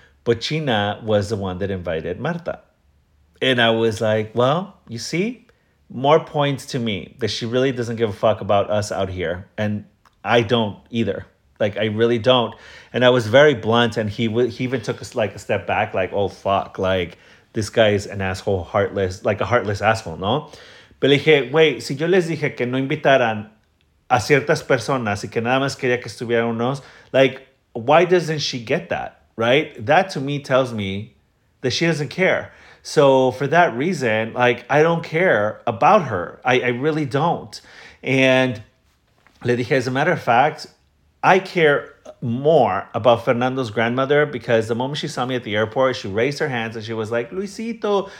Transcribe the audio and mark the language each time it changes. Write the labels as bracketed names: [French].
[English] Pochina was the one that invited Marta. And I was like, well, you see, more points to me that she really doesn't give a fuck about us out here. And I don't either. Like, I really don't. And I was very blunt. And he even took a step back, like, oh, fuck. Like, this guy is an asshole, heartless, like a heartless asshole, no? [Spanish] Pero le dije, wait, si yo les dije que no invitaran a ciertas personas y que nada más quería que estuvieran unos, [English] like, why doesn't she get that, right? That, to me, tells me that she doesn't care. So for that reason, like, I don't care about her. I really don't. And [Spanish] le dije, [English] as a matter of fact, I care more about Fernando's grandmother because the moment she saw me at the airport, she raised her hands and she was like, Luisito.